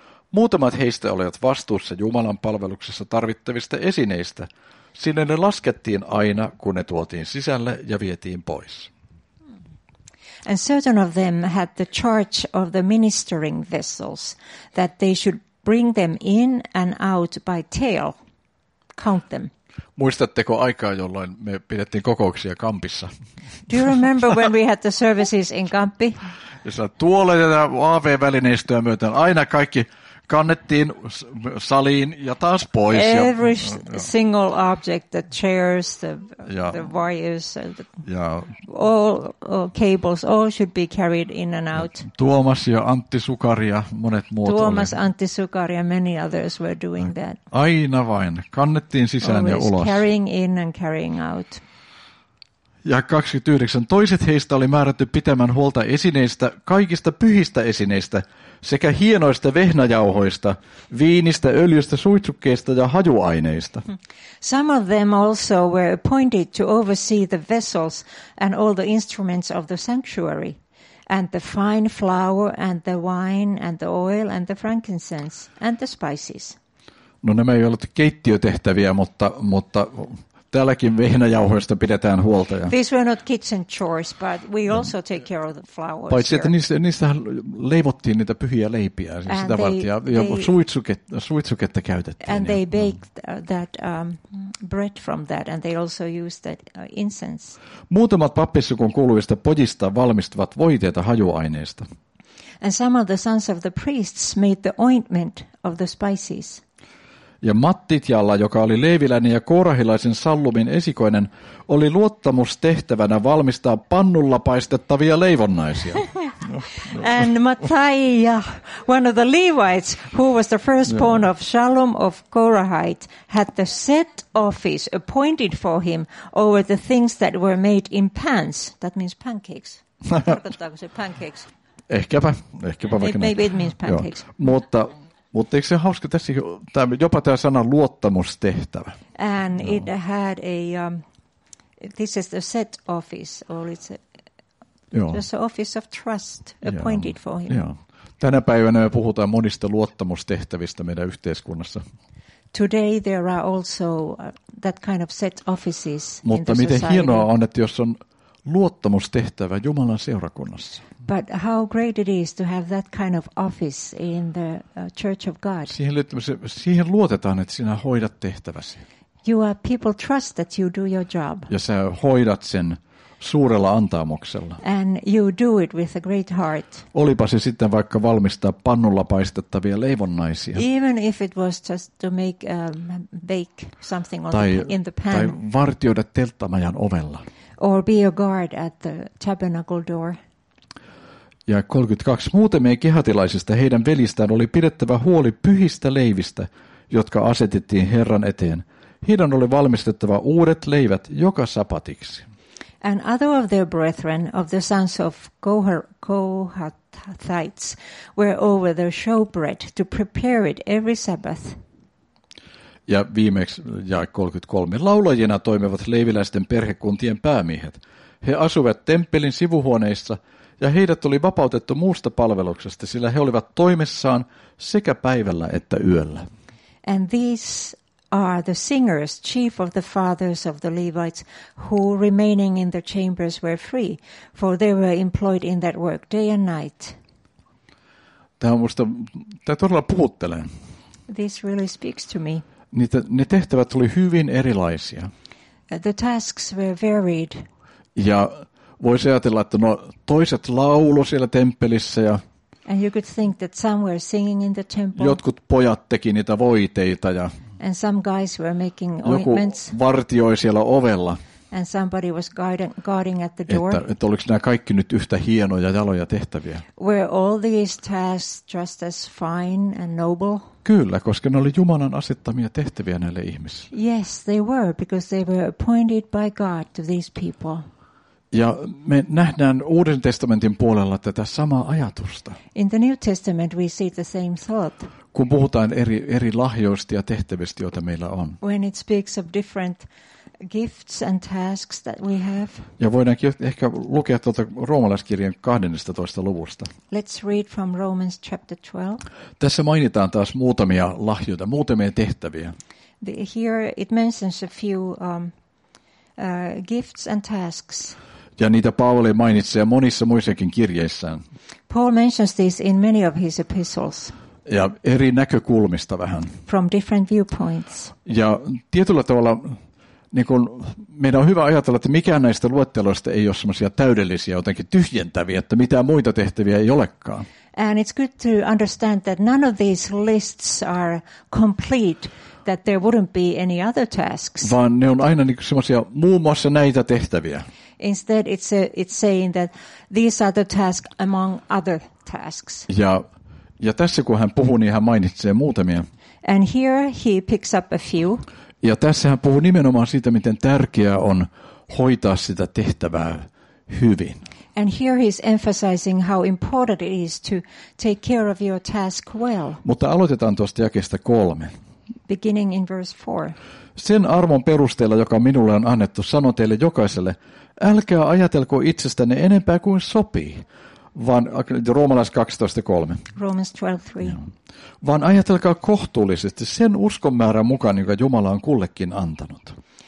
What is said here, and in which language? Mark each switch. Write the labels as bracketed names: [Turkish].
[Finnish] Muutamat heistä olivat vastuussa Jumalan palveluksessa tarvittavista esineistä. Sinne ne laskettiin aina, kun ne tuotiin sisälle ja vietiin pois. [English] And certain of them had the charge of the ministering vessels, that they should bring them in and out by tail, count them. [Finnish] Muistatteko aikaa, jolloin me pidettiin kokouksia Kampissa? [English] Do you remember when we had the services in Kampi? [Finnish] Tuolla ja AV-välineistöä myöten aina kaikki kannettiin saliin ja taas pois. [English] Every single object, the chairs, the wires, all cables, all should be carried in and out. [Finnish] Tuomas ja Antti Sukari ja monet muut. [English] Tuomas, Antti Sukari ja many others were doing that. [Finnish] Aina vain, kannettiin sisään [English] always [Finnish] ja ulos. [English] Carrying in and carrying out. [Finnish] Ja 29. Toiset heistä oli määrätty pitämään huolta esineistä, kaikista pyhistä esineistä, sekä hienoista vehnäjauhoista, viinistä, öljystä, suitsukkeista ja hajuaineista. [English] Some of them also were appointed to oversee the vessels and all the instruments of the sanctuary, and the fine flour and the wine and the oil and the frankincense and the spices. [Finnish] No nämä ei ollut keittiötehtäviä, mutta täälläkin vehnäjauhoista pidetään huolta. [English] These were not kitchen chores, but we also take care of the flowers. [Finnish] Paitsi että niistä leivottiin niitä pyhiä leipiä, siis sitä varten, ja suitsuketta käytettiin. [English] And they baked that bread from that, and they also used that incense. [Finnish] Muutamat pappissukun kuuluvista pojista valmistivat voiteita hajuaineista. [English] And some of the sons of the priests made the ointment of the spices. [Finnish] Ja Mattitjalla, joka oli leiviläinen ja koorahilaisen Sallumin esikoinen, oli luottamustehtävänä valmistaa pannulla paistettavia leivonnaisia. [English] And Mattaiah, one of the Levites, who was the firstborn of Shalom of Korahite, had the set office appointed for him over the things that were made in pans. That means pancakes. [Finnish] Tarkoittaako se pancakes? Ehkäpä. [English] Maybe it means pancakes. [Finnish] Mutta eikö se hauska tässä, jopa tämä sana luottamustehtävä. [English] And it had a, this is the set office, or it's just an office of trust appointed for him. [Finnish] Tänä päivänä me puhutaan monista luottamustehtävistä meidän yhteiskunnassa. [English] today there are also that kind of set offices. [Finnish] Mutta [English] in [Finnish] miten [English] the [Finnish] hienoa on, että jos on luottamustehtävä Jumalan seurakunnassa. [English] But how great it is to have that kind of office in the Church of God. [Finnish] Siihen luotetaan, että sinä hoidat tehtäväsi. [English] You are people trust that you do your job. [Finnish] Ja sä hoidat sen suurella antaumuksella. [English] And you do it with a great heart. [Finnish] Olipa se sitten vaikka valmistaa pannulla paistettavia leivonnaisia. [English] Even if it was just to make bake something in the pan. [Finnish] Tai vartioida telttamajan ovella. [English] Or be a guard at the tabernacle door. [Finnish] Ja 32. Muutamien kehatilaisista heidän velistään oli pidettävä huoli pyhistä leivistä, jotka asetettiin Herran eteen. Heidän oli valmistettava uudet leivät joka sapatiksi. [English] And other of their brethren, of the sons of Kohathites, were over the showbread to prepare it every Sabbath. [Finnish] Ja viimeksi, ja 33. Laulajina toimivat leiviläisten perhekuntien päämiehet. He asuivat temppelin sivuhuoneissa, ja heidät oli vapautettu muusta palveluksesta, sillä he olivat toimessaan sekä päivällä että yöllä. [English] And these are the singers, chief of the fathers of the Levites, who remaining in the chambers were free, for they were employed in that work day and night. [Finnish] Tämä todella puhuttelee. [English] This really speaks to me. [Finnish] Ne tehtävät oli hyvin erilaisia. [English] The tasks were varied. [Finnish] Ja voisi ajatella, että no toiset laulu siellä temppelissä ja [English] and you could think that some were singing in the temple. [Finnish] Jotkut pojat teki niitä voiteita ja [English] and some guys were making ointments. [Finnish] Joku vartioi siellä ovella. [English] And somebody was guarding at the door. [Finnish] Että oliko nämä kaikki nyt yhtä hienoja jaloja tehtäviä? [English] Were all these tasks just as fine and noble? [Finnish] Kyllä, koska ne oli Jumalan asettamia tehtäviä näille ihmisille. [English] Yes, they were, because they were appointed by God to these people. [Finnish] Ja me nähdään Uuden testamentin puolella tätä samaa ajatusta. [English] In the New Testament we see the same thought. [Finnish] Kun puhutaan eri lahjoista ja tehtävistä, joita meillä on. [English] When it speaks of different gifts and tasks that we have. [Finnish] Ja voidaankin ehkä lukea tuolta roomalaiskirjan 12. luvusta. [English] Let's read from Romans chapter 12. [Finnish] Tässä mainitaan taas muutamia lahjoja, muutamia tehtäviä. [English] Here it mentions a few gifts and tasks. [Finnish] Ja niitä Paavali mainitsee monissa muissakin kirjeissään. [English] Paul mentions this in many of his epistles. [Finnish] Ja eri näkökulmista vähän. [English] From different viewpoints. [Finnish] Ja tietyllä tavalla niin kun meidän on hyvä ajatella, että mikään näistä luetteloista ei ole semmoisia täydellisiä, jotenkin tyhjentäviä, että mitään muita tehtäviä ei olekaan. [English] And it's good to understand that none of these lists are complete, that there wouldn't be any other tasks. [Finnish] Vaan ne on aina niin kun semmoisia muun muassa näitä tehtäviä. [English] Instead it's saying that these are the tasks among other tasks. [Finnish] Ja tässä kun hän puhuu, niin hän mainitsee muutamia. [English] And here he picks up a few. [Finnish] Ja tässä hän puhuu nimenomaan siitä, miten tärkeää on hoitaa sitä tehtävää hyvin. [English] And here he's emphasizing how important it is to take care of your task well. [Finnish] Mutta aloitetaan tuosta jakeesta 3. [English] Beginning in verse 4. [Finnish] Sen arvon perusteella, joka minulle on annettu, sano teille jokaiselle, älkää ajatelko itsestänne enempää kuin sopii. Vaan roomalais 12.3. [English] Romans 12.3. [Finnish] Vaan ajatelkaa kohtuullisesti sen uskon määrän mukaan, joka Jumala on kullekin antanut.